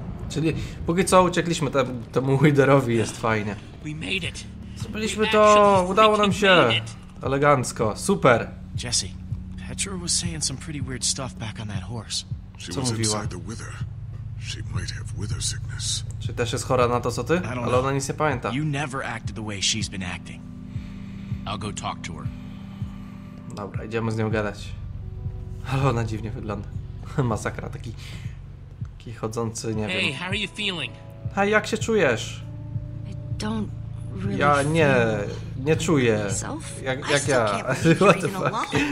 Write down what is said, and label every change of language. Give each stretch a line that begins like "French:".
Polish: Czyli póki co uciekliśmy temu Witherowi, jest fajnie. Zrobiliśmy to, udało nam się. Elegancko. Super.
English: Jesse, Petra was saying some pretty weird stuff back on that horse.
Polish: Co mówiła?
English: She might have wither sickness.
Polish: Czy też jest chora na to, co ty? Ale ona nic nie pamięta.
English: You never acted the way she's been acting. I'll go talk to her.
Polish: Dobra, idziemy z nią gadać. Ale ona dziwnie wygląda. Masakra, taki chodzący, nie wiem.
English: Hey, how are you feeling?
Polish: Hey, jak się czujesz?
English: I don't really
Polish: ja nie czuję. Jak ja?
English: What the fuck?